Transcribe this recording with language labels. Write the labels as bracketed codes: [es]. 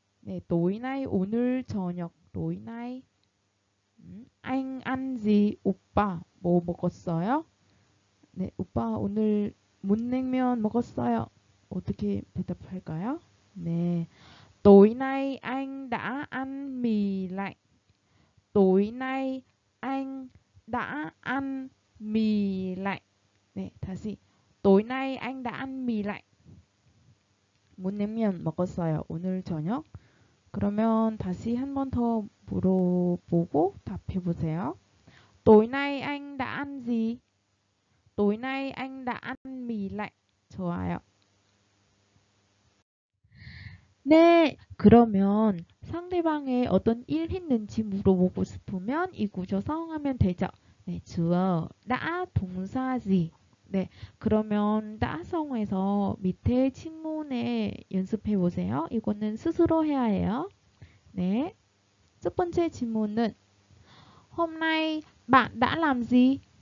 [vi] 네, tối nay 오늘 저녁 tối nay anh ăn gì? [ko] 오빠 뭐 먹었어요? 네, 오빠 오늘 문냉면 먹었어요. 어떻게 대답할까요? 네. [vi] Tối nay anh đã ăn mì lạnh. Tối nay anh đã ăn mì lạnh. [ko] 네, 다시. [vi] Tối nay anh đã ăn mì lạnh. [ko] 문냉면 먹었어요. 오늘 저녁. 그러면 다시 한 번 더 물어보고 답해 보세요. [vi] Tối nay anh đã ăn gì? Tối nay anh đã ăn mì lạnh. [ko] 좋아요. 네, 그러면 상대방이 어떤 일 했는지 물어보고 싶으면 이 구조 사용하면 되죠. 네, 주어, 나 동사지. 네, 그러면 나 사용해서 밑에 친문에 연습해 보세요. 이거는 스스로 해야 해요. 네, 첫 번째 질문은 [vi] Hôm nay bạn đã làm gì?